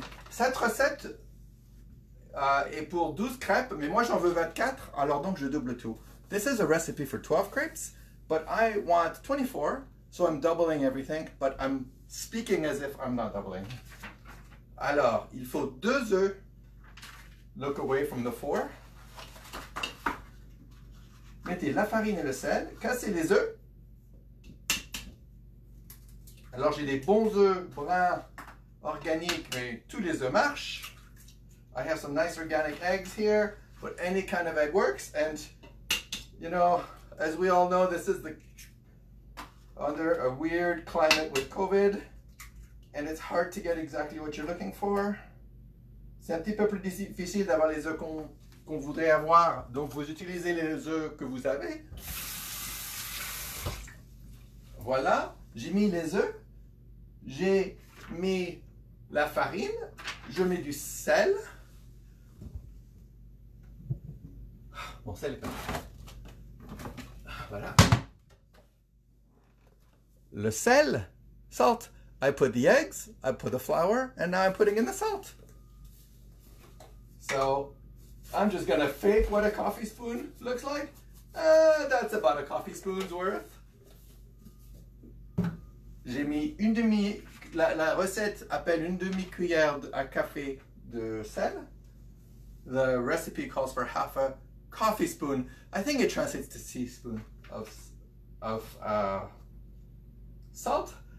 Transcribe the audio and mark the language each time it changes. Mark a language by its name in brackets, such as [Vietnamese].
[French] Cette recette est pour 12 crêpes, mais moi j'en veux 24, alors donc je double tout. [English] This is a recipe for 12 crepes, but I want 24, so I'm doubling everything, but I'm speaking as if I'm not doubling. [French] Alors, il faut 2 œufs. [English] Look away from the 4. [French] Mettez la farine et le sel, cassez les œufs. Alors, j'ai des bons œufs bruns organiques, mais tous les œufs marchent. [English] I have some nice organic eggs here, but any kind of egg works. And, you know, as we all know, this is the under a weird climate with COVID, and it's hard to get exactly what you're looking for. [French] C'est un petit peu plus difficile d'avoir les œufs qu'on voudrait avoir, donc vous utilisez les œufs que vous avez. Voilà, j'ai mis les œufs, j'ai mis la farine, je mets du sel. Bon, sel est pas. Voilà. Le sel, salt. [English] I put the eggs, I put the flour, and now I'm putting in the salt. So, I'm just gonna fake what a coffee spoon looks like. That's about a coffee spoon's worth. [French] J'ai mis une demi, la recette appelle une demi cuillère à café de sel. [English] The recipe calls for half a coffee spoon. I think it translates to teaspoon of salt.